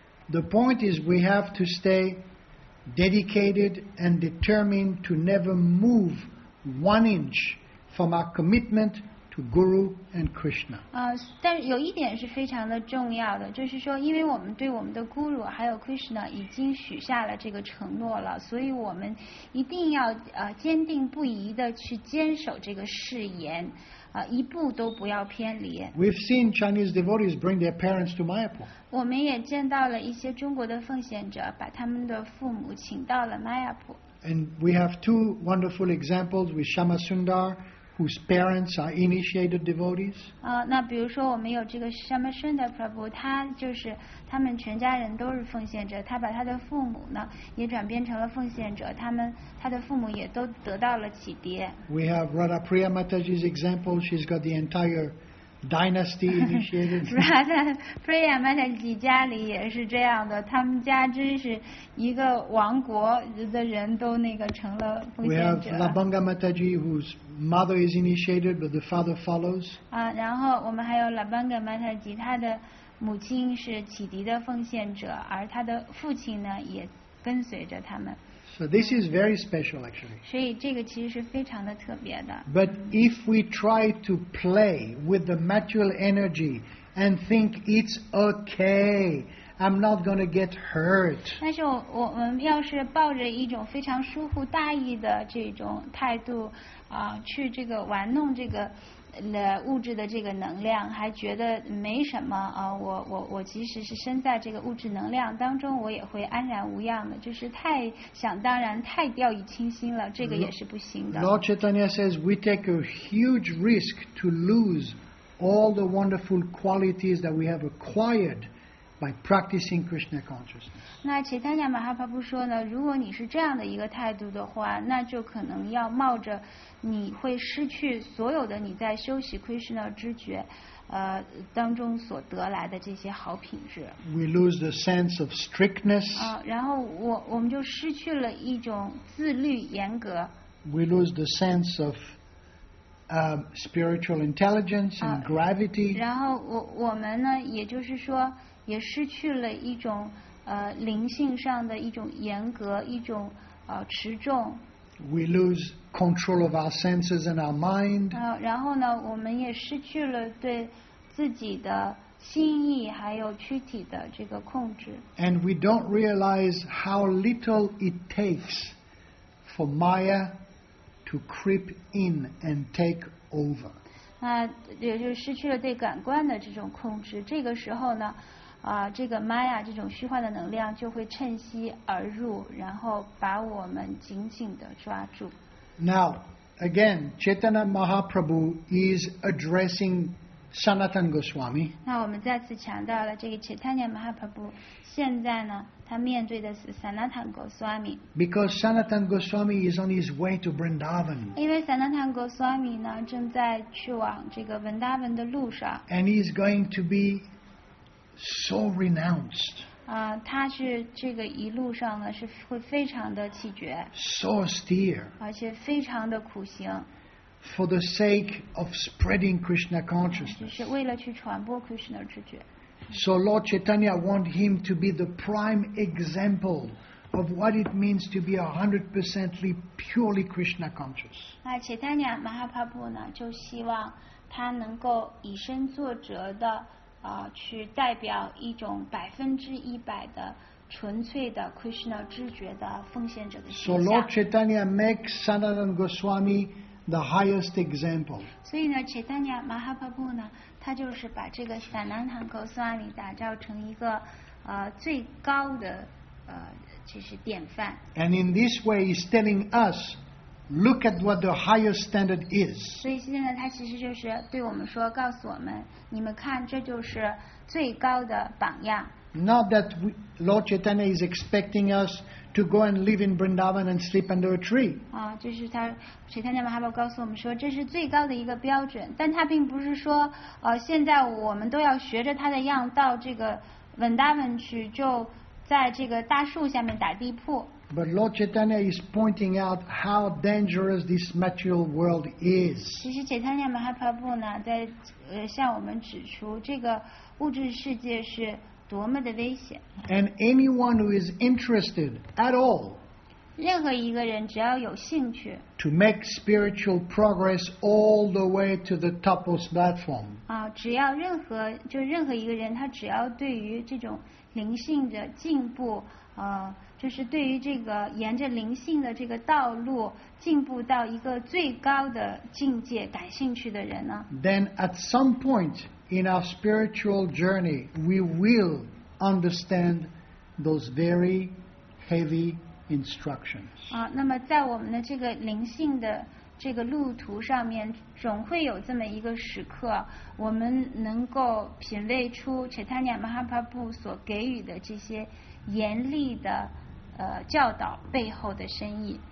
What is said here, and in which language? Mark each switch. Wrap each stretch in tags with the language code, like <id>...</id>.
<en>The point is, we have to stay dedicated and determined to never move one inch from our commitment. To Guru and Krishna.</en> <zh>但有一点是非常的重要的，就是说，因为我们对我们的 Guru 还有 Krishna 已经许下了这个承诺了，所以我们一定要坚定不移的去坚守这个誓言，一步都不要偏离。</zh> <en>We've seen Chinese devotees bring their parents to Mayapur.</en> <zh>我们也见到了一些中国的奉献者把他们的父母请到了 Mayapur.</zh> <en>And we have two wonderful examples with Shama Sundar. Whose parents are initiated devotees?</en> <zh>那比如说我们有这个 Shamasundar Prabhu, 他就是他们全家人都是奉献者，他把他的父母呢也转变成了奉献者，他的父母也都得到了启迪。</zh> <en>We have Radha Priya Mataji's example. She's got the entire dynasty initiated.</en> <zh>Radha Priya Mataji 家里也是这样的，他们家真是一个王国的人都那个成了奉献者。</zh> <en>We have Labanga Mataji who'smother is initiated, but the father follows.</en> <zh>然后我们还有 Labanga Mataji, 他的母亲是启迪的奉献者，而他的父亲呢也跟随着他们。</zh> <en>So this is very special, actually.</en> <zh>所以这个其实是非常的特别的。</zh> <en>But if we try to play with the material energy and think it's okay. I'm not going to get hurt.</en> <zh>但是我们要是抱着一种非常疏忽大意的这种态度，去这个玩弄这个物质的这个能量，还觉得没什么啊。我即使是身在这个物质能量当中，我也会安然无恙的。就是太想当然，太掉以轻心了，这个也是不行的。</zh> <en>Lord Chaitanya says, "We take a huge risk to lose all the wonderful qualities that we have acquired by practicing Krishna consciousness."</en> <zh>那Chaitanya Mahaprabhu说呢，如果你是这样的一个态度的话，那就可能要冒着。你会失去所有的你在修习 Krishna 知觉，当中所得来的这些好品质。</zh> <en>We lose the sense of strictness.</en> <zh>啊，然后我们就失去了一种自律严格。</zh> <en>We lose the sense of spiritual intelligence and gravity.</en> <zh>然后我们呢，也就是说，也失去了一种灵性上的一种严格，一种持重。</zh> <en>We lose control of our senses and our mind.</en> <zh>然后呢，我们也失去了对自己的心意还有躯体的这个控制。</zh> <en>And we don't realize how little it takes for Maya to creep in and take over.</en> <zh>那也就失去了对感官的这种控制。这个时候呢，这个 Maya 这种虚幻的能量就会趁隙而入，然后把我们紧紧的抓住。</zh> <en>Now, again, Chaitanya Mahaprabhu is addressing Sanatan Goswami.</en> <zh>那我们再次强调了，这个 Chaitanya Mahaprabhu 现在呢，他面对的是 Sanatan Goswami.</zh> <en>Because Sanatan Goswami is on his way to Vrindavan.</en> <zh>因为 Sanatan Goswami 呢，正在去往这个 Vrindavan 的路上。</zh> <en>And he is going to be so renounced.</en> <zh>他是这个一路上呢是会非常的气绝。</zh> <en>So austere.</en> <zh>而且非常的苦行。</zh> <en>For the sake of spreading Krishna consciousness.</en> <zh>就是为了去传播 Krishna 知觉。</zh> <en>So Lord Chaitanya want him to be the prime example of what it means to be 100% purely Krishna conscious.</en> <zh>那 Chaitanya Mahaprabhu 呢就希望他能够以身作则的去代表一种100%的纯粹的 Krishna 知觉的奉献者的形象。</zh> <en>So Lord Chaitanya makes Sanatana Goswami the highest example.</en> <zh>所以呢 ，Chaitanya Mahaprabhu 呢，他就是把这个 Sanatana Goswami 打造成一个最高的就是典范。</zh> <en>And in this way, he's telling us, look at what the highest standard is.</en> <zh>所以现在他其实就是对我们说，告诉我们。你们看，这就是最高的榜样。</zh> <en>Not that Lord Chaitanya is expecting us to go and live in Vrindavan and sleep under a tree.</en> <zh>就是他 Chaitanya Mahaprabhu 告诉我们说，这是最高的一个标准。但他并不是说，现在我们都要学着他的样到这个 Vrindavan 去，就在这个大树下面打地铺。</zh> <en>But Lord Chaitanya is pointing out how dangerous this material world is.</en> <zh>其实 Chaitanya Mahaprabhu 呢，在向我们指出这个物质世界是多么的危险。</zh> <en>And anyone who is interested at all,</en> <zh>任何一个人只要有兴趣</zh> <en>to make spiritual progress all the way to the topmost platform.</en> <zh>只要任何一个人，他只要对于这种灵性的进步，就是对于这个沿着灵性的这个道路进步到一个最高的境界感兴趣的人呢</zh> <en>Then at some point in our spiritual journey, we will understand those very heavy instructions.</en> <zh>那么在我们的这个灵性的这个路途上面，总会有这么一个时刻，我们能够品味出 Chaitanya Mahaprabhu 所给予的这些严厉的教导背后的深意。</zh>